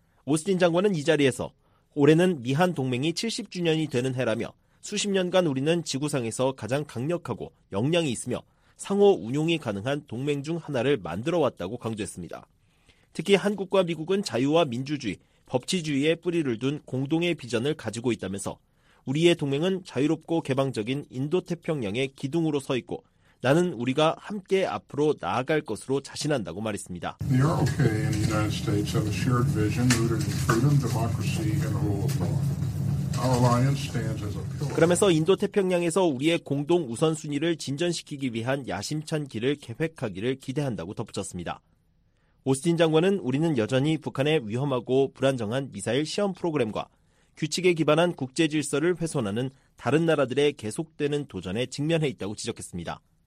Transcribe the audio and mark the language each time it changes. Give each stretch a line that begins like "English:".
Korean: 오스틴 장관은 이 자리에서 올해는 미한 동맹이 70주년이 되는 해라며 수십 년간 우리는 지구상에서 가장 강력하고 역량이 있으며 상호 운용이 가능한 동맹 중 하나를 만들어왔다고 강조했습니다. 특히 한국과 미국은 자유와 민주주의, 법치주의의 뿌리를 둔 공동의 비전을 가지고 있다면서 우리의 동맹은 자유롭고 개방적인 인도태평양의 기둥으로 서 있고 나는 우리가 함께 앞으로 나아갈 것으로 자신한다고 말했습니다.
English: The ROK and the United States have a shared vision rooted in freedom, democracy, and the rule of law. Our alliance stands as a pillar.
Korean: 그러면서 인도태평양에서 우리의 공동 우선순위를 진전시키기 위한 야심찬 길을 계획하기를 기대한다고 덧붙였습니다. 오스틴 장관은 우리는 여전히 북한의 위험하고 불안정한 미사일 시험 프로그램과 규칙에 기반한 국제 질서를 훼손하는 다른 나라들의 계속되는 도전에 직면해 있다고 지적했습니다.